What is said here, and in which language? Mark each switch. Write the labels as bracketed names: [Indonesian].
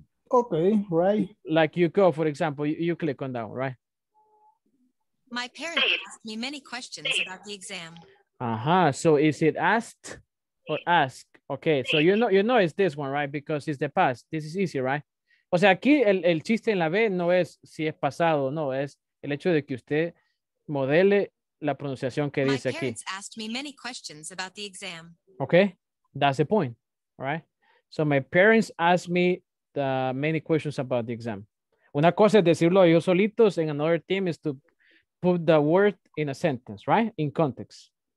[English] Okay, right. Like you go, for example, you click on that one, right? My parents asked me many questions about the exam. Uh-huh. So is it asked or ask? Okay, so you know it's this one, right? Because it's the past. This is easy, right? [Spanish] O sea, aquí el chiste en la B no es si es pasado o no. Es el hecho de que usted modele la pronunciación que dice aquí. [English] My parents asked me many questions about the exam. Okay, that's the point, right? So my parents asked me the many questions about the exam. [Spanish] Una cosa es decirlo yo solitos, [English] and another team is to put the word in a sentence, right? In context.